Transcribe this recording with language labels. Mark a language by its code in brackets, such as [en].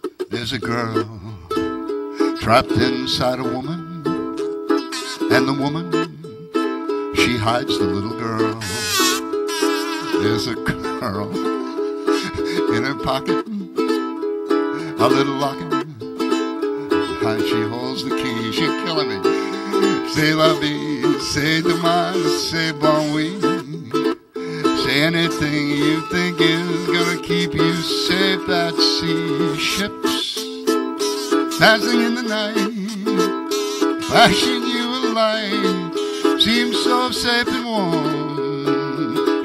[en] There's a girl trapped inside a woman, and the woman, she hides the little girl. There's a girl in her pocket, a little locket, and she holds the key. She's killing me. [fr] C'est la vie, c'est demain, c'est bon oui. [en] Say anything you think is gonna keep you safe at sea. Ships passing in the night, flashing you a light, seems so safe and warm.